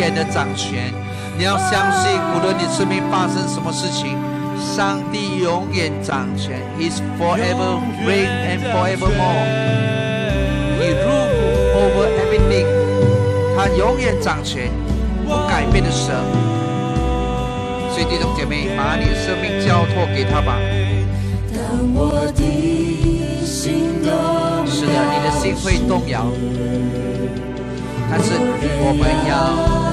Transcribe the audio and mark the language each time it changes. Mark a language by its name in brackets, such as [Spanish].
[Chinese] 掌权，你要相信，无论你生命发生什么事情，上帝永远掌权。 [English] He's forever reign and forevermore. He rules over everything. [Chinese] 他永远掌权，不改变的神。所以弟兄姐妹，把你的生命交托给他吧。当我的心动摇，是的，你的心会动摇，但是我们要。